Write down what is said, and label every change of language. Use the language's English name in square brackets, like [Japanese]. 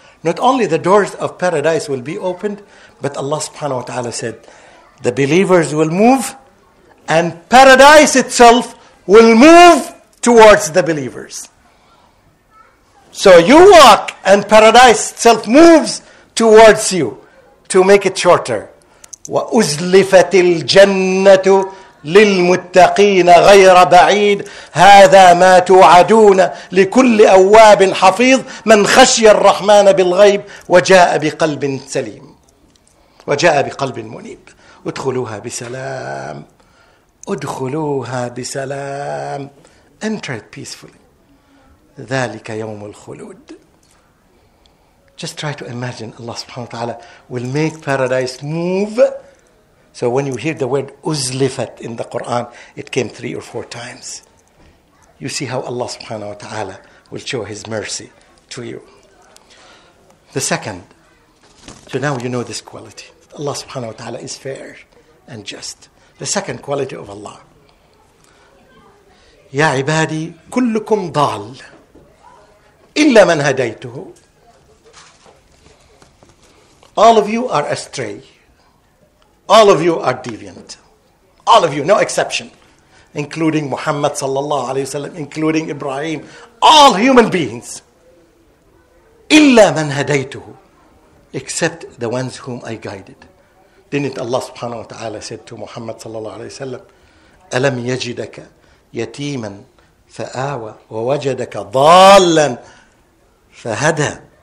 [English] Not only the doors of paradise will be opened, but Allah subhanahu wa ta'ala said, the believers will move and paradise itself will move towards the believers. So you walk and paradise itself moves towards you, to make it shorter. [Arabic] وَأُزْلِفَتِ الْجَنَّةُ لِلْمُتَّقِينَ غَيْرَ بَعِيدٍ هَذَا مَا تُوعَدُونَ لِكُلِّ أَوَّابٍ حَفِيظٍ مَنْ خَشْيَ الرَّحْمَنَ بِالْغَيْبِ وَجَاءَ بِقَلْبٍ سَلِيمٍ وَجَاءَ بِقَلْبٍ مُنِيبٍ ادخلوها بسلام ادخلوها بسلام Enter it peacefully. [English] ذَلِكَ يَوْمُ الْخُلُودِ Just try to imagine Allah subhanahu wa ta'ala will make paradise move. So when you hear the word uzlifat in the Quran, it came 3 or 4 times. You see how Allah subhanahu wa ta'ala will show his mercy to you. The second, so now you know this quality. Allah subhanahu wa ta'ala is fair and just. The second quality of Allah. [Arabic] يَا عِبَادِي كُلُّكُمْ ضَال إِلَّا مَنْ هَدَيْتُهُ All of you are astray. [English] All of you are deviant. All of you, no exception. Including Muhammad sallallahu alayhi wasallam, including Ibrahim, all human beings. Illa man hadaytuhu. Except the ones whom I guided. Didn't Allah subhanahu wa ta'ala said to Muhammad sallallahu alayhi wasallam, Alam yajidaka yateeman fa'awa wa wajadaka dhalan fahada.